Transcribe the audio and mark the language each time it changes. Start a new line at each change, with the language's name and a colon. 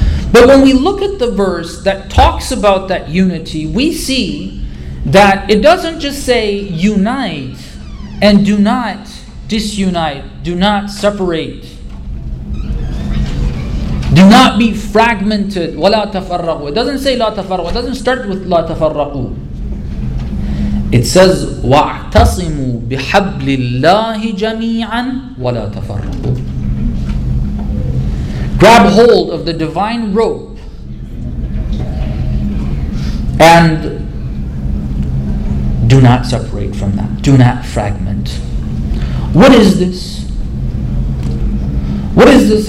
English: But when we look at the verse that talks about that unity, we see that it doesn't just say unite and do not disunite, do not separate, do not be fragmented.
Arabic: وَلَا تَفَرَّقُوا.
English: It doesn't say
Arabic: لا تَفَرَّقُوا.
English: It doesn't start with لا تَفَرَّقُوا. It says,
Arabic: وَاعْتَصِمُوا بِحَبْلِ اللَّهِ جَمِيعًا وَلَا تَفَرَّقُوا.
English: Grab hold of the divine rope and do not separate from that. Do not fragment. What is this? What is this?